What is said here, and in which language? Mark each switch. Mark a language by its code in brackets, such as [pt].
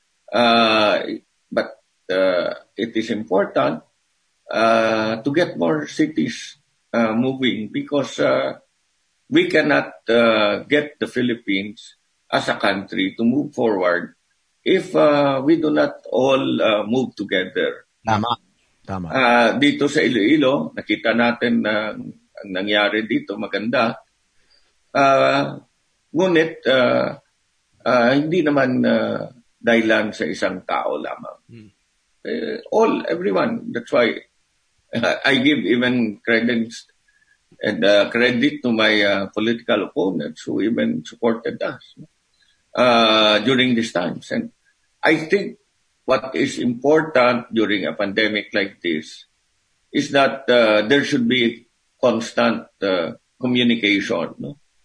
[en] But it is important to get more cities moving because we cannot get the Philippines as a country to move forward if we do not all move together. [tl] Tama. Tama. Dito sa Iloilo, nakita natin na ang nangyari dito, maganda. Ngunit, hindi naman dahil lang sa isang tao lamang. [en] All, everyone. That's why I give even credit to my political opponents who even supported us during these times. And I think what is important during a pandemic like this is that there should be constant communication. No?